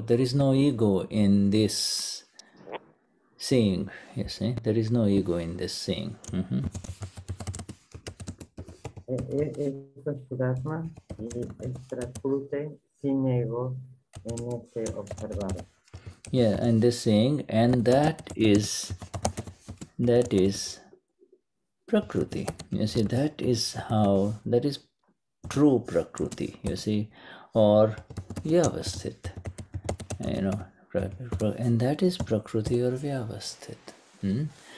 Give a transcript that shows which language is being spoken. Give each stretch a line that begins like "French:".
English: There is no ego in this seeing, you see? There is no ego in this seeing.
Spanish: Eso es Shuddhatma, es prakruti sin ego en este observar.
English: Yeah, and this seeing, and that is prakruti. You see, that is how, that is true prakruti, you see, or Vyavasthit, you know, and that is prakruti or Vyavasthit.